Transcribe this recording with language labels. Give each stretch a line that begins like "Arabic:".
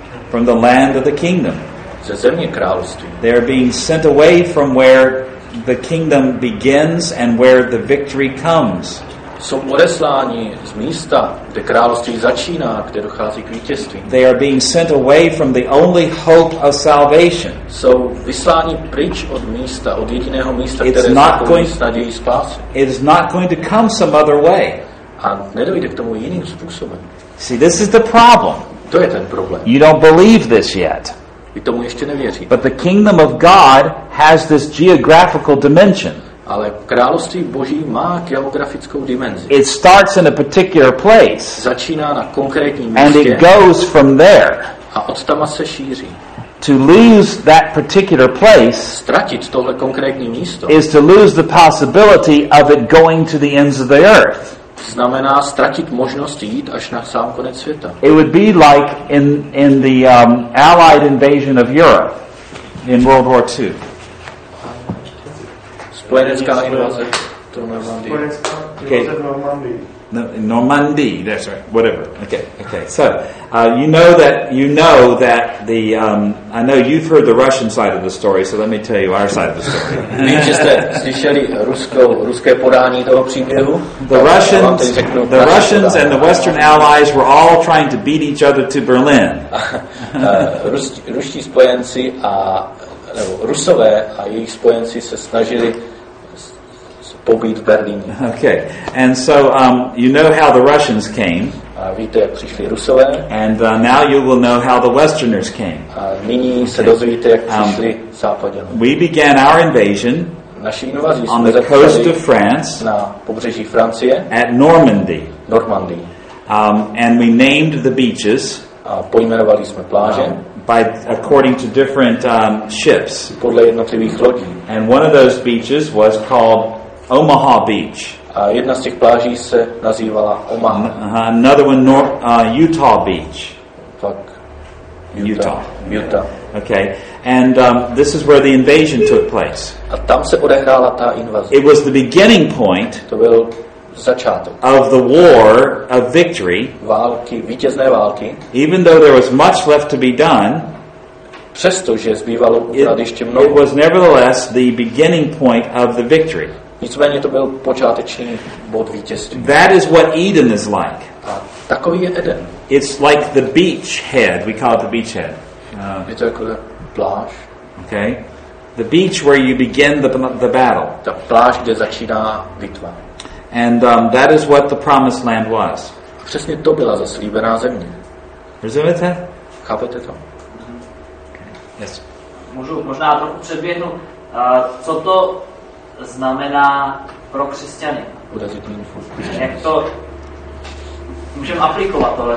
English: From the land of the kingdom.
Czech: Ze země království.
English: They are being sent away from where the kingdom begins and where the victory comes.
Czech: Jsou odesláni z místa, kde království začíná, kde dochází k vítězství.
English: They are being sent away from the only hope of salvation.
Czech: Jsou vysláni pryč od místa, od jediného místa, které zachovují snadějí spásy.
English: It is not going to come some other way.
Czech: A nedojde k tomu jiným způsobem.
English: See, this is the problem.
Czech: To je ten problém.
English: You don't believe this yet.
Czech: Vy tomu ještě nevěří.
English: But the kingdom of God has this geographical dimension.
Czech: Ale království Boží má geografickou dimenzi.
English: It starts in a particular place.
Czech: Začíná na konkrétním místě.
English: And it goes from there.
Czech: A odtama se šíří.
English: To lose that particular place,
Czech: ztratit tohle konkrétní místo,
English: is to lose the possibility of it going to the ends of the earth.
Czech: Znamená ztratit možnost jít až na sám konec světa.
English: It would be like in the Allied invasion of Europe in World War II.
Czech: Spojenecká invaze do Normandie.
English: Okay. Normandy. That's right. Whatever. Okay. So you know that the I know you've heard the Russian side of the story. So let me tell you our side of the story.
Czech: ruské podání toho příběhu.
English: The Russians and the Western allies were all trying to beat each other to Berlin.
Czech: Ruští spojenci a Rusové a jejich spojenci se snažili pobít v Berlíně.
English: Okay. And so you know how the Russians came.
Czech: A víte, jak přišli Rusové.
English: And now you will know how the Westerners came.
Czech: A nyní se dozvíte, jak přišli Západané.
English: We began our invasion on the coast of France,
Czech: na pobřeží Francie,
English: at Normandy.
Czech: Normandy.
English: And we named the beaches.
Czech: A pojmenovali jsme pláže.
English: by according to different ships.
Czech: Podle jednotlivých lodí.
English: And one of those beaches was called Omaha Beach.
Czech: A jedna z těch pláží se nazývala Omaha.
English: Another one Utah Beach.
Czech: Tak Utah.
English: Yeah. Okay. And this is where the invasion took place.
Czech: A tam se odehrála ta invaze.
English: It was the beginning point.
Czech: To byl začátek.
English: Of the war of victory.
Czech: Války, vítězné války.
English: Even though there was much left to be done.
Czech: Přestože zbývalo pořád ještě mnoho.
English: It was nevertheless the beginning point of the victory.
Czech: Nicméně to byl počáteční bod vítězství.
English: That is what Eden is like.
Czech: A takový je Eden.
English: It's like the beach head. We call it the beach head.
Czech: Je to jako pláž.
English: Okay. The beach where you begin the battle.
Czech: Ta pláž, kde začíná bitva.
English: And that is what the promised land was.
Czech: Přesně to byla zaslíbená země. Rozumíte? Chápete to?
English: Yes.
Czech: Možná trochu předběhnu. Co to znamená pro křesťany? Jak to můžeme aplikovat tohle?